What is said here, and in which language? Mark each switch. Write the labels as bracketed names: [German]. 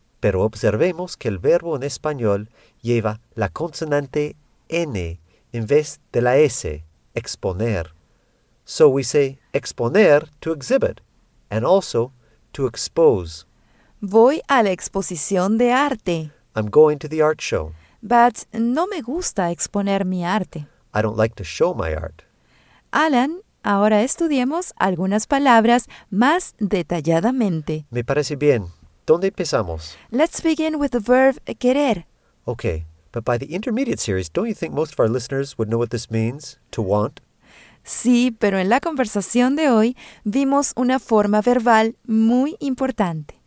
[Spanish] Pero observemos que el verbo en español lleva la consonante N en vez de la S, exponer. [English] So we say exponer to exhibit and also to expose. [Spanish] Voy a la exposición de arte. [English] I'm going to the art show. [Spanish] But no me gusta exponer mi arte. [English] I don't like to show my art. [Spanish] Alan, ahora estudiemos algunas palabras más detalladamente. Me parece bien. ¿Dónde empezamos? [English] Let's begin with the verb querer. Okay, but by the intermediate series, don't you think most of our listeners would know what this means, to want? [Spanish] Sí, pero en la conversación de hoy vimos una forma verbal muy importante.